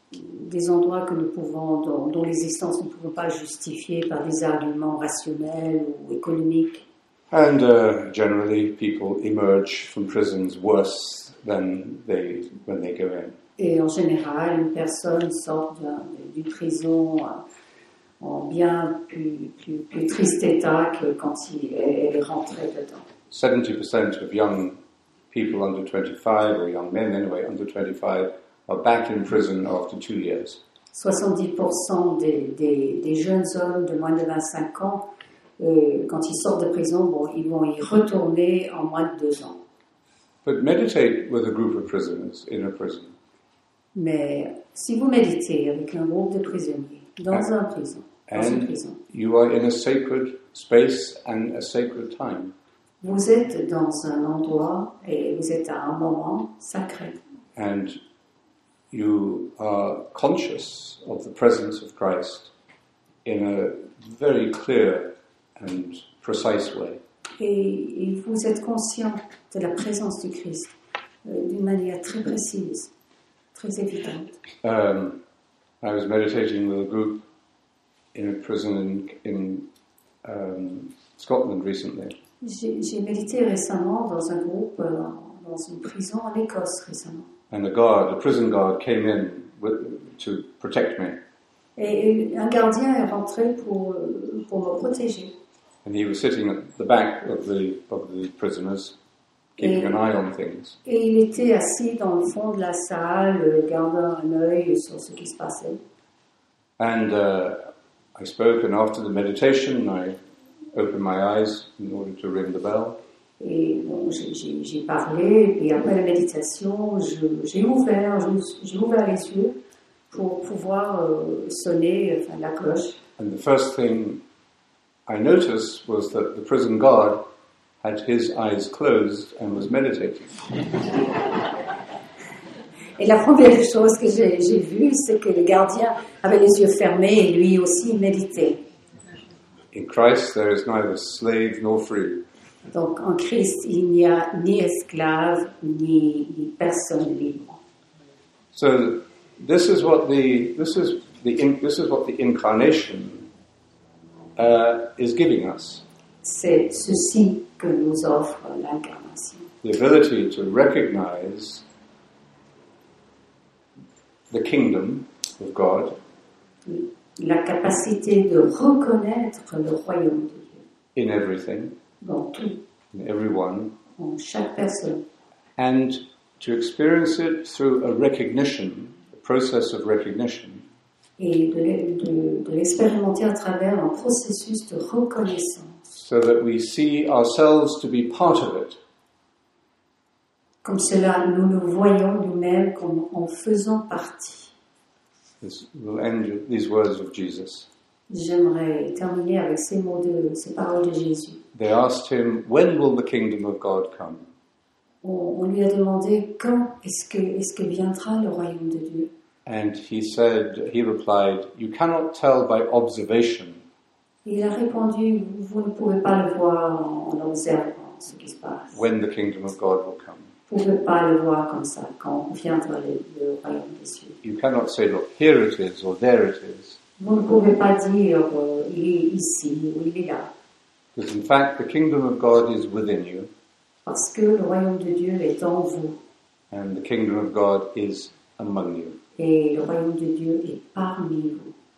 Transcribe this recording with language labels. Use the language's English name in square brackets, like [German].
[French] Des endroits que nous pouvons, dont l'existence ne pouvons pas justifier par des arguments rationnels ou économiques. [English] And generally, people emerge from prisons worse than they when they go in. [French] Et en général, une personne sort d'une prison en bien plus triste état que quand elle est rentrée dedans. [English] 70% of young people under 25, or young men anyway, under 25, are back in prison after 2 years. [French] 70% des jeunes hommes de moins de 25 ans, quand ils sortent de prison, bon, ils vont y retourner en moins de 2 ans. [English] But meditate with a group of prisoners in a prison. [French] Mais si vous méditez avec un groupe de prisonniers dans une prison, [English] you are in a sacred space and a sacred time. [French] Vous êtes dans un endroit et vous êtes à un moment sacré. [English] And you are conscious of the presence of Christ in a very clear and precise way. [French] Et vous êtes conscient de la présence du Christ d'une manière très précise, très évidente. [English] I was meditating with a group in a prison in Scotland recently. [French] J'ai médité récemment dans un groupe dans une prison en Écosse récemment. [English] And a prison guard came in to protect me. [French] Et un gardien est rentré pour me protéger. [English] And he was sitting at the back of the prisoners, keeping an eye on things. [French] Et il était assis dans le fond de la salle, gardant un œil sur ce qui se passait. [English] And I spoke, and after the meditation, I opened my eyes in order to ring the bell. [French] Et bon, j'ai parlé, et après la méditation, j'ai ouvert les yeux pour pouvoir sonner la cloche. [English] And the first thing I noticed was that the prison guard had his eyes closed and was meditating. [French] Et la première chose que j'ai vue, c'est que le gardien avait les yeux fermés et lui aussi méditait. [English] In Christ, there is neither slave nor free. [French] Donc, en Christ, il n'y a ni esclave, ni personne libre. [English] So, this is what the incarnation is giving us. [French] C'est ceci que nous offre l'incarnation. [English] The ability to recognize the kingdom of God. [French] La capacité de reconnaître le royaume de Dieu. [English] In everything. [French] Dans tout. [English] In everyone. [French] En chaque personne. [English] And to experience it through a recognition, a process of recognition. [French] Et de l'expérimenter à travers un processus de reconnaissance. [English] So that we see ourselves to be part of it. [French] Comme cela, nous nous voyons nous-mêmes comme en faisant partie. [English] This will end these words of Jesus. [French] J'aimerais terminer avec ces mots de ces paroles de Jésus. [English] They asked him, "When will the kingdom of God come?" [French] On lui a demandé quand est-ce que viendra le royaume de Dieu. [English] And he replied, "You cannot tell by observation." [French] Il a répondu, vous ne pouvez pas le voir en observant ce qui se passe. [English] When the kingdom of God will come. [French] Vous ne pouvez pas le voir comme ça quand viendra le royaume des cieux. [English] You cannot say, "Look, here it is," or "There it is." [French] Vous ne pouvez pas dire, il est ici ou il est là. [English] Because in fact, the kingdom of God is within you. [French] Parce que le royaume de Dieu est en vous. [English] And the kingdom of God is among you. [French] Et le royaume de Dieu est parmi vous.